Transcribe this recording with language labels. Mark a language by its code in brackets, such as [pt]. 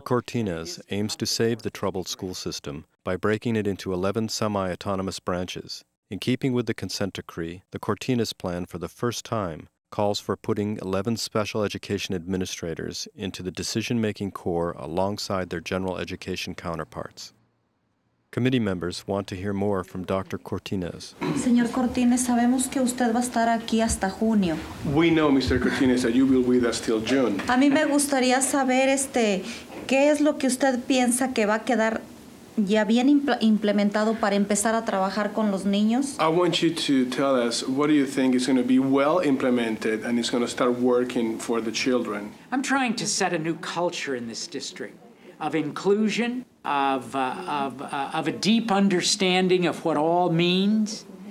[en] Cortinez aims to save the troubled school system by breaking it into 11 semi-autonomous branches In keeping with the consent decree, the Cortinas plan for the first time calls for putting 11 special education administrators into the decision-making core alongside their general education counterparts. Committee members want to hear more from Dr. Cortinas. [es] Señor Cortinas, sabemos que usted va a estar aquí hasta junio. [en] We know, Mr. Cortinas, that you will be with us till June. [es] A mí me gustaría saber, ¿qué es lo que usted piensa que va a quedar ya bien implementado para empezar a trabajar con los niños? [en] I want you to tell us, what do you think is going to be well implemented and is going to start working for the children? I'm trying to set a new culture in this district of inclusion, of a deep understanding of what all means.